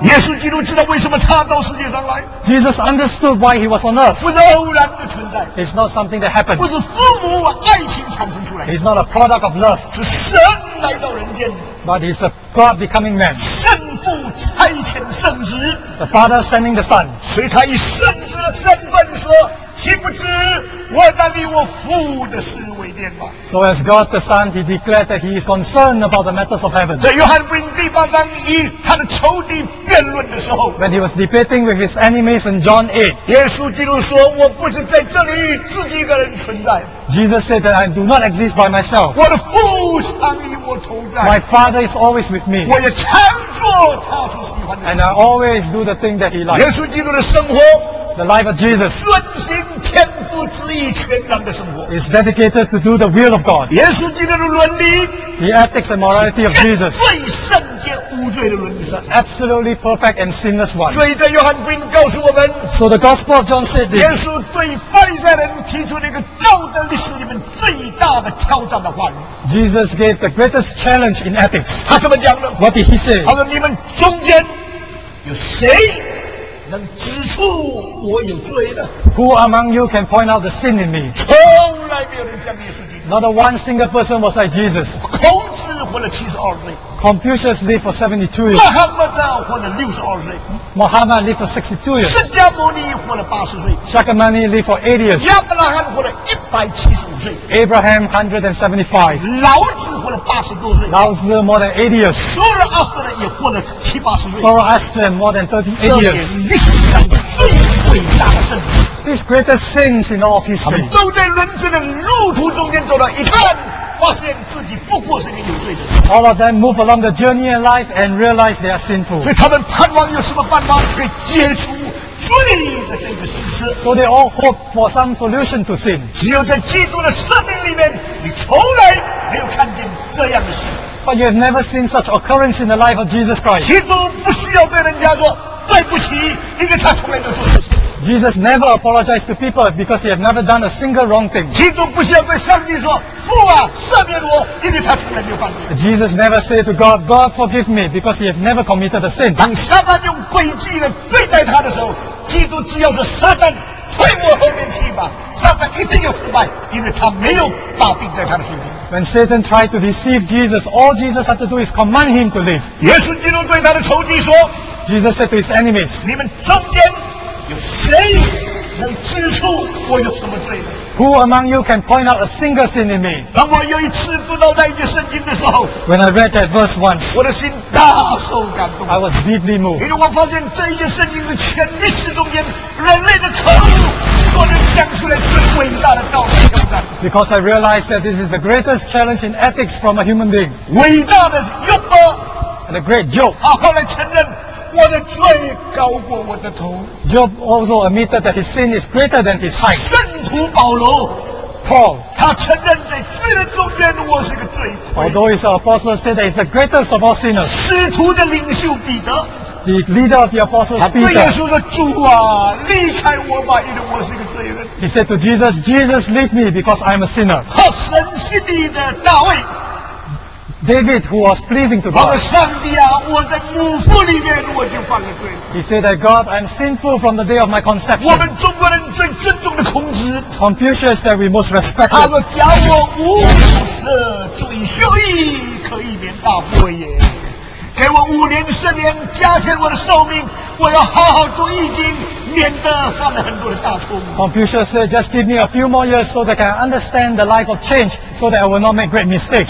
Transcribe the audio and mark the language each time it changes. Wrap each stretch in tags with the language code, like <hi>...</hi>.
<zh>耶稣基督知道为什么他到世界上来。</zh> <en>Jesus understood why he was on earth.</en> <zh>不是偶然的存在。</zh> <en>It's not something that happened.</en> <zh>不是父母爱情产生出来。</zh> <en>He's not a product of love.</en> <zh>是神来到人间。</zh> <en>But he's a God becoming man.</en> <zh>圣父差遣圣子。</zh> <en>The Father sending the Son.</en> <zh>所以他以圣子的身份说：“岂不知我当你我父的事为念嘛。</zh> <en>So as God the Son, He declared that He is concerned about the matters of heaven.</en> <zh>在约翰福音第八章一，他的仇敌辩论的时候</zh> <en>，When he was debating with his enemies in John 8,</en> <zh>耶稣基督说：“我不是在这里自己一个人存在。”</zh> <en>Jesus said that I do not exist by myself.</en> <zh>我的父常与我同在。</zh> <en>My Father is always with me.</en> <zh>我也常做他所喜欢的。</zh> <en>And I always do the thing that He likes.</en> <zh>耶稣基督的生活。</zh> <en>The life of Jesus is dedicated to do the will of God. The ethics and morality of Jesus is absolutely perfect and sinless one.</en> <zh>所以在约翰福音告诉我们,</zh> <en>so the Gospel of John said this.</en> <zh>耶稣对法利赛人提出了一个道德历史里面最大的挑战的话语。</zh> <en>Jesus gave the greatest challenge in ethics.</en> <zh>他怎么讲的?</zh> <en>What did he say?</en> <zh>他说你们中间有谁能指出我有罪的?</zh> <en>Who among you can point out the sin in me?</en> <zh>从来没有人像耶稣基督。</zh> <en>Not a one single person was like Jesus.</en> <zh>孔子活了72岁。</zh> <en>Confucius lived for 72 years.</en> <zh>穆罕默德活了62岁。</zh> <en>Muhammad lived for 62 years.</en> <zh>释迦牟尼活了80岁。</zh> <en>Shakyamuni lived for 80 years.</en> <zh>亚伯拉罕活了175岁。</zh> <en>Abraham 175.</en> <zh>老子活了80多岁。</zh> <en>老子 more than 80 years.</en> <zh>苏尔阿斯特也活了七八十岁。</zh> <en>Zoroaster more than 38 years.</en> <zh>历史上最伟大的圣人。</zh> <en>These greatest sins in all of history.</en> <zh>他们都在人生的路途中间走了一看，发现自己不过是个有罪的人。</zh> <en>All of them move along the journey in life and realize they are sinful.</en> <zh>所以他们盼望有什么办法可以解除罪的这个事实。</zh> <en>So they all hope for some solution to sin.</en> <zh>只有在基督的生命里面，你从来没有看见这样的事。</zh> <en>But you have never seen such occurrence in the life of Jesus Christ.</en> <zh>基督不需要对人家说对不起，因为他从来没有做错事。</zh> <en>Jesus never apologized to people because he had never done a single wrong thing.</en> <zh>基督不需要对上帝说父啊赦免我，因为他从来没有犯罪。</zh> <en>Jesus never said to God, God forgive me, because he had never committed a sin.</en> <zh>当撒旦用诡计来对待他的时候，基督只要是撒旦推我后面去吧，撒旦一定要腐败，因为他没有把柄在他的心中。</zh> <en>When Satan tried to deceive Jesus, all Jesus had to do is command him to leave.</en> <zh>耶稣基督对他的仇敌说，</zh> <en>Jesus said to his enemies,</en> <zh>你们中间有谁能指出我有什么罪呢？</zh> <en>Who among you can point out a single sin in me?</en> <zh>当我有一次读到那一节圣经的时候，</zh> <en>When I read that verse once,</en> <zh>我的心大受感动。</zh> <en>I was deeply moved.</en> <zh>因为我发现这一节圣经的全历史中间，人类的口误所能讲出来最伟大的道理。</zh> <en>Because I realized that this is the greatest challenge in ethics from a human being.</en> <zh>伟大的幽默</zh> <en>And a great joke.</en> <zh>他后来承认我的罪高过我的头。</zh> <en>Job also admitted that his sin is greater than his height.</en> <zh>圣徒保罗</zh> <en>Paul,</en> <zh>他承认在罪的中间我是个罪魁。</zh> <en>Although his apostle said that he's the greatest of all sinners.</en> <zh>使徒的领袖彼得</zh> <en>The leader of the apostles, Peter.</en> <zh>他对耶稣说主啊离开我吧因为我是个罪人。</zh> <en>He said to Jesus, Jesus leave me because I'm a sinner.</en> <zh>和神是你的大卫</zh> <en>David, who was pleasing to God.</en> <zh>我的上帝啊，我在母腹里面我就犯了罪。</zh> <en>He said that God, I'm sinful from the day of my conception.</en> <zh>我们中国人最尊重的孔子。</zh> <en>Confucius that we most respect.</en> <zh>他说：“假我五十岁修矣，可以免大祸也。给我五年十年，加添我的寿命，我要好好读易经，免得犯了很多的大错误。”</zh> <en>Confucius said, "Just give me a few more years so that I can understand the life of change, so that I will not make great mistakes."</en>